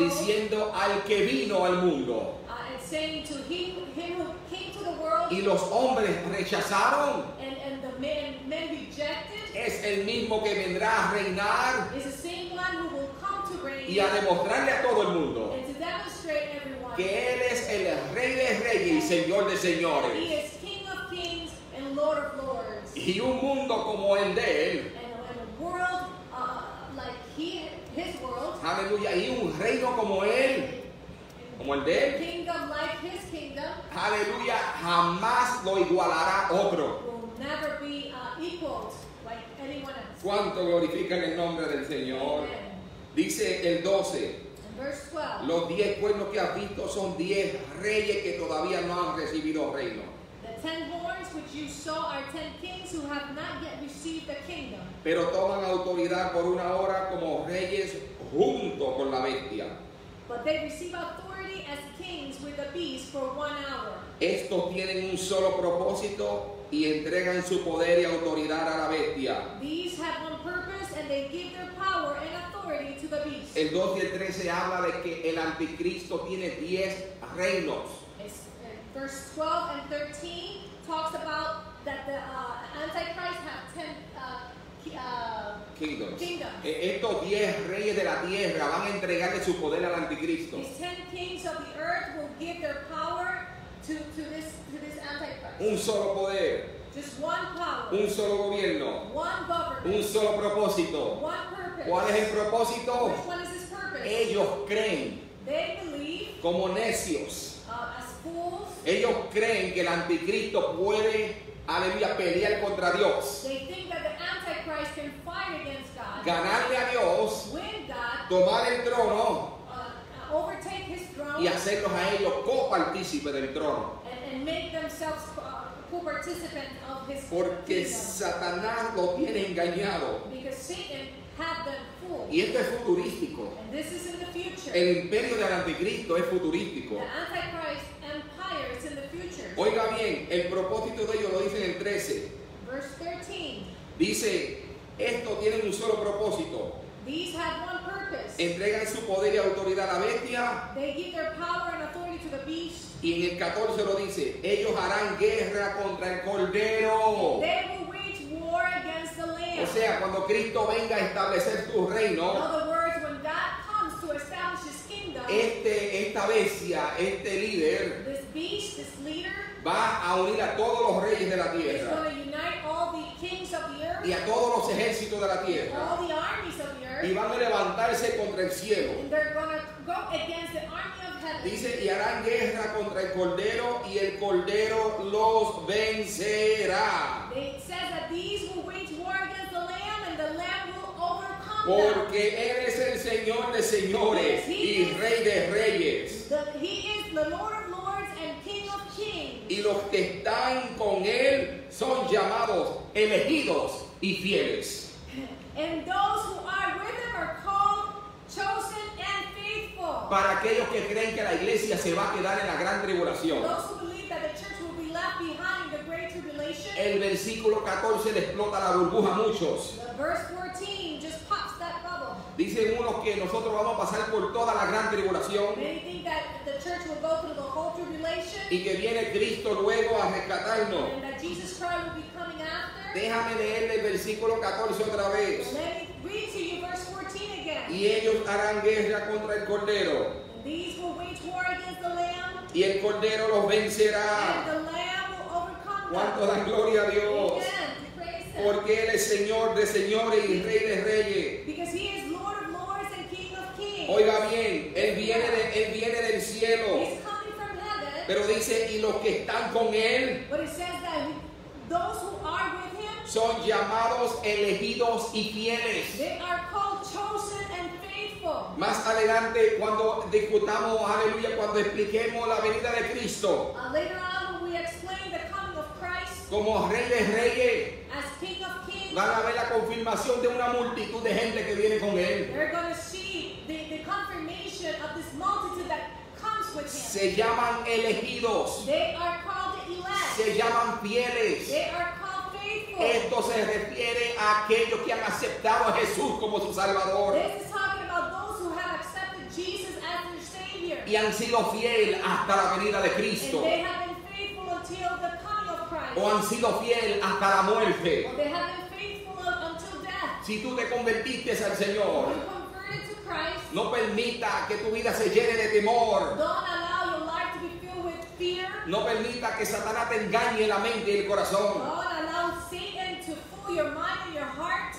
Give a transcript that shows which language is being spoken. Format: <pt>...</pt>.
<es>diciendo al que vino al mundo,</es> <en>and saying to him who came to the world,</en> <es>y los hombres rechazaron,</es> <en>and the men rejected,</en> <es>es el mismo que vendrá a reinar,</es> <en>is the same one who will come to reign,</en> <es>y a demostrarle a todo el mundo,</es> <en>and to demonstrate everyone,</en> <es>que él es el rey de reyes y señor de señores,</es> <en>he is king of kings and lord of lords,</en> <es>y un mundo como el de él,</es> <en>and a world like his world,</en> <es>aleluya, y un reino como él, como el de él,</es> <en>kingdom like his kingdom,</en> <es>aleluya, jamás lo igualará otro,</es> <en>will never be equaled like anyone else.</en> <es>¿Cuánto glorifican el nombre del Señor?</es> <en>Amen.</en> <es>Dice el 12,</es> <en>verse 12,</en> <es>los 10 cuernos que has visto son 10 reyes que todavía no han recibido reino.</es> <en>The 10 horns which you saw are 10 kings who have not yet received the kingdom.</en> <es>Pero toman autoridad por una hora como reyes junto con la bestia.</es> <en>But they receive authority as kings with the beast for 1 hour.</en> <es>Estos tienen un solo propósito y entregan su poder y autoridad a la bestia.</es> <en>These have one purpose and they give their power and authority to the beast.</en> <es>El 12 y el 13 habla de que el anticristo tiene 10 reinos.</es> <en>Verse 12 and 13 talks about that the Antichrist have 10 kingdoms.</en> <es>Estos 10 reyes de la tierra van a entregarle su poder al anticristo.</es> <en>These 10 kings of the earth will give their power to this antichrist.</en> <es>Un solo poder.</es> <en>Just one power.</en> <es>Un solo gobierno.</es> <en>One government.</en> <es>Un solo propósito.</es> <en>One purpose.</en> <es>¿Cuál es el propósito?</es> <en>Which one is his purpose?</en> <es>Ellos creen.</es> <en>They believe.</en> <es>Como necios.</es> <en>As fools.</en> <es>Ellos creen que el anticristo puede, aleluya, pelear contra Dios.</es> <en>They think that the antichrist can fight against God.</en> <es>Ganarle a Dios.</es> <en>Win God.</en> <es>Tomar el trono.</es> <en>Overtake his throne.</en> <es>Y hacerlos a ellos copartícipes del trono.</es> <en>And make themselves co-participant of his kingdom.</en> <es>Porque Satanás lo tiene engañado.</es> <en>Because Satan had them fooled.</en> <es>Y esto es futurístico.</es> <en>And this is in the future.</en> <es>El imperio del anticristo es futurístico.</es> <en>The Antichrist empire is in the future.</en> <es>Oiga bien, el propósito de ellos lo dice en el 13.</es> <en>Verse 13.</en> <es>Dice, esto tiene un solo propósito.</es> <en>These have one purpose.</en> <es>Entregan su poder y autoridad a la bestia.</es> <en>They give their power and authority to the beast.</en> <es>Y en el 14 lo dice, ellos harán guerra contra el Cordero.</es> <en>And they will wage war against the Lamb.</en> <es>O sea, cuando Cristo venga a establecer su reino,</es> <en>in other words, when God comes to establish his kingdom,</en> <es>esta bestia, este líder,</es> <en>this beast, this leader,</en> <es>va a unir a todos los reyes de la tierra.</es> <en>He's going to unite all the kings of the earth,</en> <es>y a todos los ejércitos de la tierra.</es> <en>All the armies of the earth,</en> <es>y van a levantarse contra el cielo.</es> <en>And they're going to go against the army of heaven.</en> <es>Dice, y harán guerra contra el cordero, y el cordero los vencerá.</es> <en>It says that these will wage war against the lamb, and the lamb will overcome them.</en> <es>Porque él es el Señor de señores y Rey de reyes.</es> <en>He is the Lord of lords and King of kings.</en> <es>Y los que están con él son llamados, elegidos y fieles.</es> <en>And those who are with him are called, chosen and faithful.</en> <es>Para aquellos que creen que la iglesia se va a quedar en la gran tribulación.</es> <en>Those who believe that the church will be left behind the great tribulation.</en> <es>El versículo 14 le explota la burbuja a muchos.</es> <en>Verse 14 just pops that bubble.</en> <es>Dicen unos que nosotros vamos a pasar por toda la gran tribulación.</es> <en>They think that the church will go through the whole tribulation.</en> <es>Y que viene Cristo luego a rescatarnos.</es> <en>And that Jesus Christ will be coming after.</en> <es>Déjame leer el versículo 14 otra vez.</es> <en>Let me read to you verse 14 again.</en> <es>Y ellos harán guerra contra el cordero.</es> <en>And these will wage war against the lamb.</en> <es>Y el cordero los vencerá.</es> <en>And the lamb will overcome them.</en> <es>¿Cuántos dan gloria a Dios?</es> <en>Amen.</en> <es>Porque él es Señor de señores y Rey de reyes.</es> <en>Because he is Lord of lords and King of kings.</en> <es>Oiga bien, él viene del cielo.</es> <en>He's coming from heaven.</en> <es>Pero dice, y los que están con él,</es> <en>but it says that those who are with him,</en> <es>son llamados, elegidos y fieles.</es> <en>They are called chosen and faithful.</en> <es>Más adelante, cuando discutamos, aleluya, cuando expliquemos la venida de Cristo.</es> <en>Later on, when we explain the coming of Christ,</en> <es>como Rey de reyes,</es> <en>as King of kings,</en> <es>van a ver la confirmación de una multitud de gente que viene con él.</es> <en>They're going to see the confirmation of this multitude that comes with him.</en> <es>Se llaman elegidos.</es> <en>They are called elect.</en> <es>Se llaman fieles.</es> <en>They are called faithful.</en> <es>Esto se refiere a aquellos que han aceptado a Jesús como su Salvador.</es> <en>This is talking about those who have accepted Jesus as their Savior.</en> <es>Y han sido fieles hasta la venida de Cristo.</es> <en>And they have been faithful until the coming of Christ.</en> <es>O han sido fieles hasta la muerte.</es> <en>Or they have been faithful until death.</en> <es>Si tú te convertiste al Señor,</es> <en>Christ,</en> <es>no permita que tu vida se llene de temor.</es> <en>Don't allow your life to be filled with fear.</en> <es>No permita que Satanás te engañe la mente y el corazón.</es> <en>Don't allow Satan to fool your mind and your heart.</en>